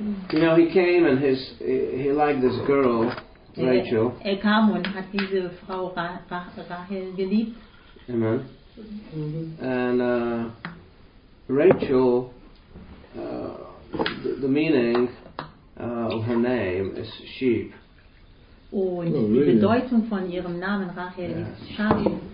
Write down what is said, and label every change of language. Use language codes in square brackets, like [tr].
[en] You know, he came and he liked this girl, Rachel. [de] Er kam und hat diese Frau Rachel geliebt. [en] Amen. And Rachel, the meaning of her name is sheep. [de] Und die Bedeutung von ihrem Namen Rachel ist Schaf.